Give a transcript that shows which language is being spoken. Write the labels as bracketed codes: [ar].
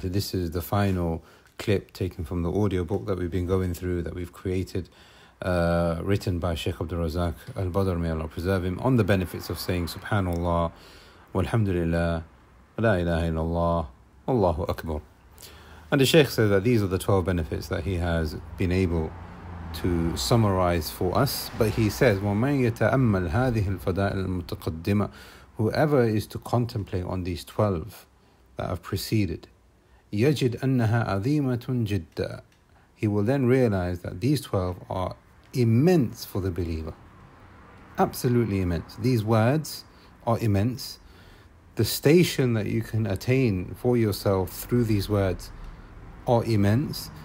[en] This is the final clip taken from the audiobook that we've been going through, that we've created, written by Sheikh Abdul Razak al-Badr, may Allah preserve him, on the benefits of saying subhanallah, walhamdulillah, la ilaha illallah, Allahu Akbar. And the Sheikh said that these are the 12 benefits that he has been able to summarize for us. But he says, [ar] وَمَنْ يَتَأَمَّلْ هَذِهِ الْفَدَائِ الْمُتَقَدِّمَةِ. [en] Whoever is to contemplate on these 12 that have preceded, [ar] يَجِدْ أَنَّهَا عَظِيمَةٌ جِدَّا. [en] He will then realize that these 12 are immense for the believer. Absolutely immense. These words are immense. The station that you can attain for yourself through these words are immense.